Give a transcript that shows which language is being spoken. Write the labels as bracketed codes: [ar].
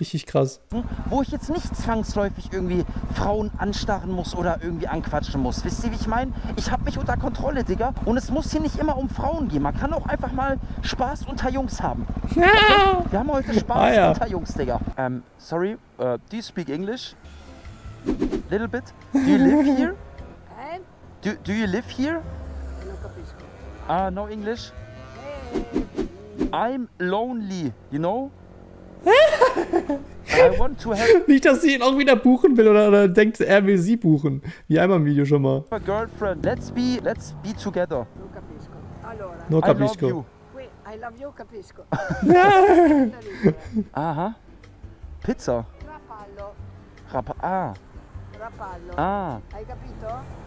[de] Richtig krass. Wo ich jetzt nicht zwangsläufig irgendwie Frauen anstarren muss oder irgendwie anquatschen muss. Wisst ihr, wie ich meine? Ich habe mich unter Kontrolle, Digga. Und es muss hier nicht immer um Frauen gehen. Man kann auch einfach mal Spaß unter Jungs haben. Okay? Wir haben heute Spaß unter Jungs, Digga. [en] Sorry, do you speak English? Little bit. Do you live here? Do you live here? No English. I'm lonely, you know? I want to have. [de] Nicht, dass sie ihn auch wieder buchen will oder denkt, er will sie buchen. Wie einmal im Video schon mal. [en] My girlfriend, let's be together. [it] No capisco. Allora. No capisco. [en] I love you. Wait, I love you, capisco. Aha. Pizza. Rapallo. Rapallo. Ah. [it] Hai capito?